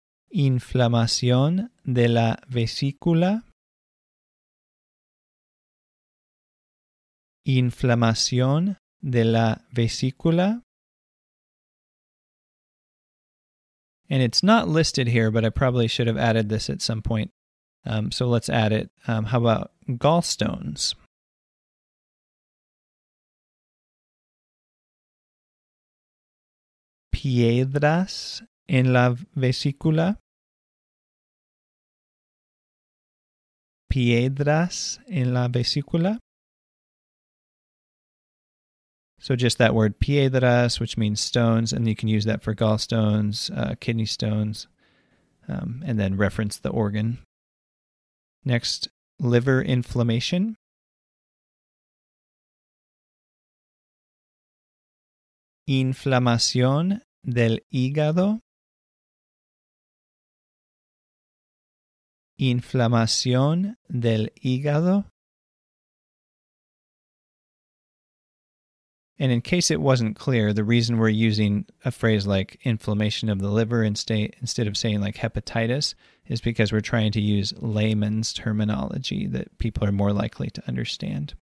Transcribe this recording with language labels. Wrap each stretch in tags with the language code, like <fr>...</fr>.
<es>Inflamación de la vesícula. Inflamación de la vesícula.</es> <en>And it's not listed here, but I probably should have added this at some point. So let's add it. How about gallstones?</en> <es>Piedras en la vesícula. Piedras en la vesícula.</es> <en>So just that word piedras, which means stones, and you can use that for gallstones, kidney stones, and then reference the organ. Next, liver inflammation.</en> <es>Inflamación del hígado. Inflamación del hígado.</es> <en>And in case it wasn't clear, the reason we're using a phrase like inflammation of the liver instead of saying like hepatitis is because we're trying to use layman's terminology that people are more likely to understand.</en>